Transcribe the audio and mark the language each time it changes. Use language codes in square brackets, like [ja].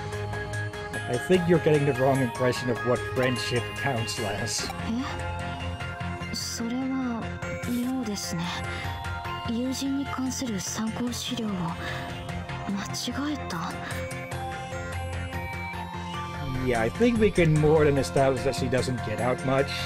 [en] I think you're getting the wrong impression of what friendship counts as. [ja] え？それは妙ですね。友人に関する参考資料を間違えた。 [en] Yeah, I think we can more than establish that she doesn't get out much.